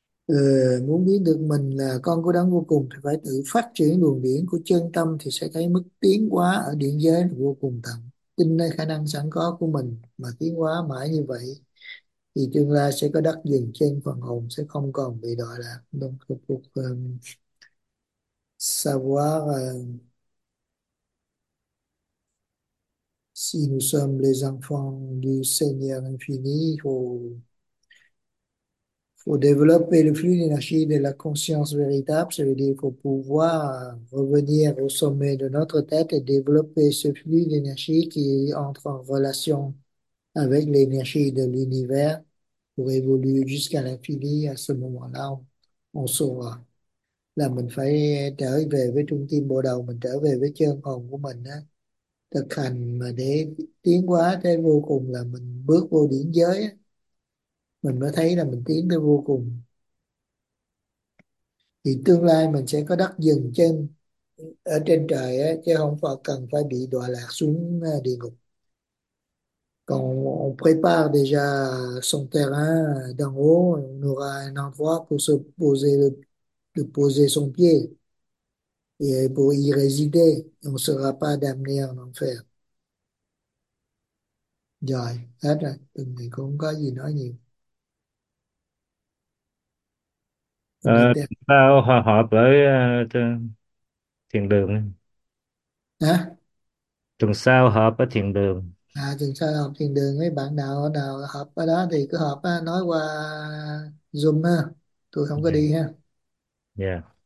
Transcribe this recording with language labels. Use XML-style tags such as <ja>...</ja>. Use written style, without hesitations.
<vi>Ừ, muốn biết được mình là con của đấng vô cùng thì phải tự phát triển luồng điển của chân tâm thì sẽ thấy mức tiến hóa ở điển giới là vô cùng tận. Tin nơi khả năng sẵn có của mình mà tiến hóa mãi như vậy thì tương lai sẽ có đất dừng trên, phần hồn sẽ không còn bị đọa lạc.</vi> <fr>Donc pour savoir si nous sommes les enfants du Seigneur infini, faut développer le flux d'énergie de la conscience véritable, ça veut dire faut pouvoir revenir au sommet de notre tête et développer ce flux d'énergie qui entre en relation avec l'énergie de l'univers pour évoluer jusqu'à l'infini. À ce moment-là, on saura</fr> <vi>là mình phải trở về với trung tâm bộ đầu, mình trở về với chân hồn của mình á, thực hành mà để tiến hóa tới vô cùng là mình bước vô điển giới á, mình mới thấy là mình tiến tới vô cùng. Thì tương lai mình sẽ có đất dừng chân ở trên trời á, chứ không phải cần phải bị đọa lạc xuống địa ngục.</vi> <fr>Còn on prépare déjà son terrain d'en haut, on aura un endroit pour se poser de poser son pied et pour y résider. On ne sera pas damné en enfer.</fr> <vi>Rồi, hết rồi. Từng ngày cũng không có gì nói nhiều. Tao hòa hợp với thiền đường, Hả? tuần sau họp ở thiền đường. À, từ sau học thiền đường với bạn nào nào học ở đó thì cứ học á, nói qua Zoom ha, tôi không có đi ha.</vi>